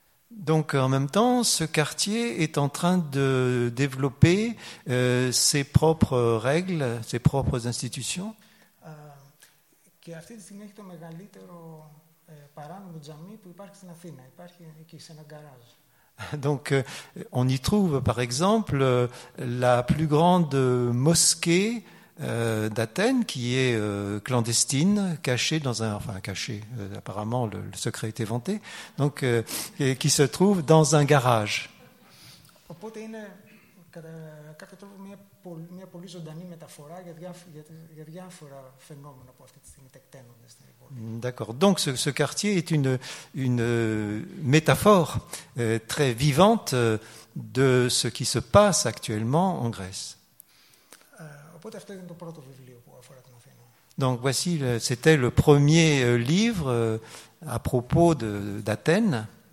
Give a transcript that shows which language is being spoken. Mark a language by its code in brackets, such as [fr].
[fr] Donc en même temps, ce quartier est en train de développer ses propres règles, ses propres institutions. [el] Και αυτή τη στιγμή έχει το μεγαλύτερο παράνομο τζαμί που υπάρχει στην Αθήνα. Υπάρχει εκεί σε ένα γκαράζ. [fr] Donc, on y trouve, par exemple, la plus grande mosquée d'Athènes, qui est clandestine, cachée dans un... Enfin, cachée, apparemment, le secret est éventé, donc, qui se trouve dans un garage. [el] Οπότε, είναι κατατρώπου μια πολύ ζωντανή μεταφορά για διάφορα φαινόμενα που αυτή τη στιγμή τεκταίνονται στην Ευρώπη. [fr] D'accord. Donc ce quartier est une métaphore très vivante de ce qui se passe actuellement en Grèce. [el] Οπότε αυτό είναι το πρώτο βιβλίο που αφορά την Αθήνα. [fr] Donc voici, c'était le premier livre à propos d'Athènes.